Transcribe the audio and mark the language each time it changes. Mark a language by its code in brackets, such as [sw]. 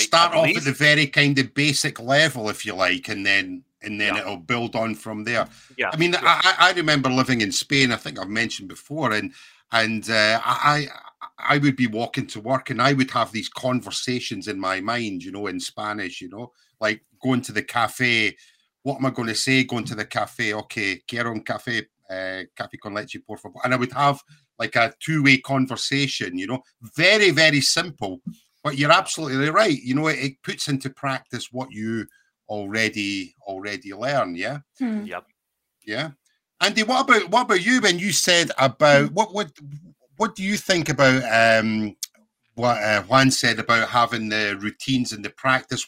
[en] Start off at the very kind of basic level, if you like, and then it'll build on from there. Yeah, I mean, I remember living in Spain. I think I've mentioned before, and I would be walking to work, and I would have these conversations in my mind, you know, in Spanish, you know, like going to the cafe. What am I going to say? Going to the cafe? [es] Okay, quiero un café, café con leche, por favor. [en] And I would have like a two-way conversation, you know, very, very simple. But you're absolutely right. You know, it puts into practice what you already learn. Yeah. Yep. Yeah. Andy, what about you when you said about what do you think about Juan said about having the routines and the practice?